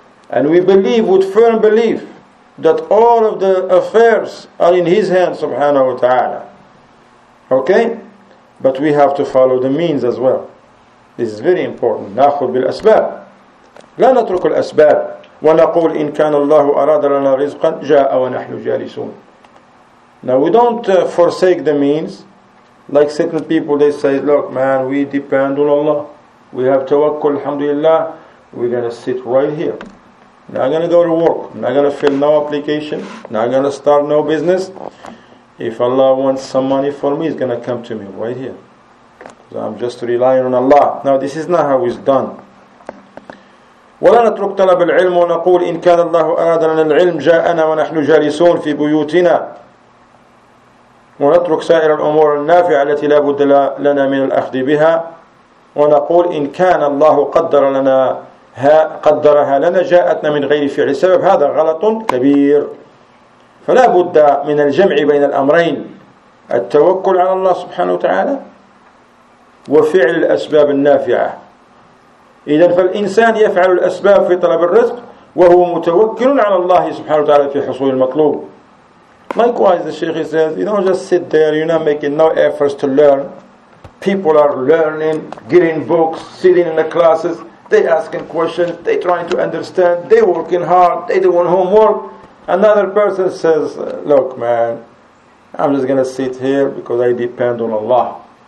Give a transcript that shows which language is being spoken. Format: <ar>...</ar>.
<en>And we believe with firm belief that all of the affairs are in His hands subhanahu wa ta'ala. Okay? But we have to follow the means as well. This is very important.</en> <ar>نأخذ بالأسباب. لا نترك الأسباب. ونقول إن كان الله أراد لنا رزقا جاء ونحن جالسون.</ar> <en>Now we don't forsake the means. Like certain people, they say, look man, we depend on Allah. We have tawakkul, alhamdulillah. We're going to sit right here. Not going to go to work. Not going to fill no application. Not going to start no business. If Allah wants some money for me, it's going to come to me right here. So I'm just relying on Allah. Now this is not how it's done.</en> <ar>ولا نترك طلب العلم ونقول إن كان الله أرادنا العلم جاءنا ونحن جالسون في بيوتنا ونترك سائر الأمور النافعة التي لا بد لنا من الأخذ بها ونقول إن كان الله قدر لنا قدرها لنا جاءتنا من غير فعل سبب هذا غلط كبير فلا بد من الجمع بين الأمرين التوكل على الله سبحانه وتعالى وفعل الأسباب النافعة إذن فالإنسان يفعل الأسباب في طلب الرزق وهو متوكل على الله سبحانه وتعالى في حصول المطلوب.</ar> <en>Likewise, the Sheikh says, you don't just sit there, you're not making no efforts to learn. People are learning, getting books, sitting in the classes, they asking questions, they trying to understand, they working hard, they doing homework. Another person says, look man, I'm just going to sit here because I depend on Allah.</en>